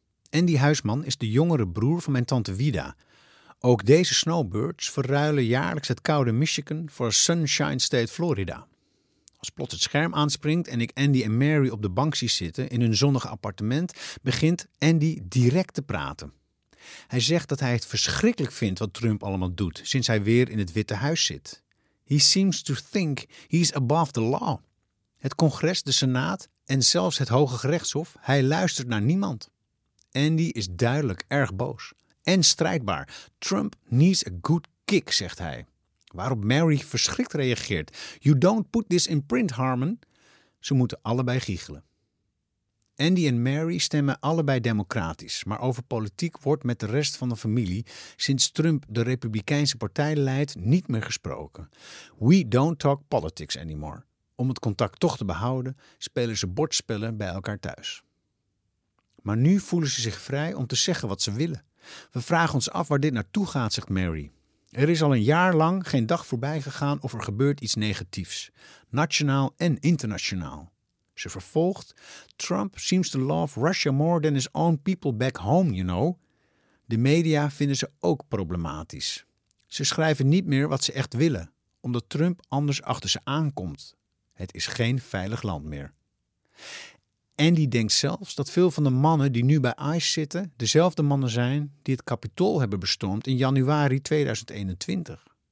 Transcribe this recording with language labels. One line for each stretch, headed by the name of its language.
Dutch: Andy Huisman is de jongere broer van mijn tante Wida. Ook deze snowbirds verruilen jaarlijks het koude Michigan voor Sunshine State Florida. Als plots het scherm aanspringt en ik Andy en Mary op de bank zie zitten in hun zonnige appartement, begint Andy direct te praten. Hij zegt dat hij het verschrikkelijk vindt wat Trump allemaal doet sinds hij weer in het Witte Huis zit.
English: He seems to think he's above the law.
Dutch: Het congres, de senaat en zelfs het hoge gerechtshof, hij luistert naar niemand. Andy is duidelijk erg boos en strijdbaar.
English: Trump needs a good kick,
Dutch: zegt hij. Waarop Mary verschrikt reageert.
English: You don't put this in print, Harmon.
Dutch: Ze moeten allebei giechelen. Andy en Mary stemmen allebei democratisch, maar over politiek wordt met de rest van de familie, sinds Trump de Republikeinse partij leidt, niet meer gesproken.
English: We don't talk politics anymore.
Dutch: Om het contact toch te behouden, spelen ze bordspellen bij elkaar thuis. Maar nu voelen ze zich vrij om te zeggen wat ze willen. We vragen ons af waar dit naartoe gaat, zegt Mary. Er is al een jaar lang geen dag voorbij gegaan of er gebeurt iets negatiefs, nationaal en internationaal. Ze vervolgt,
English: Trump seems to love Russia more than his own people back home, you know.
Dutch: De media vinden ze ook problematisch. Ze schrijven niet meer wat ze echt willen, omdat Trump anders achter ze aankomt. Het is geen veilig land meer. Andy denkt zelfs dat veel van de mannen die nu bij ICE zitten dezelfde mannen zijn die het Capitool hebben bestormd in januari 2021.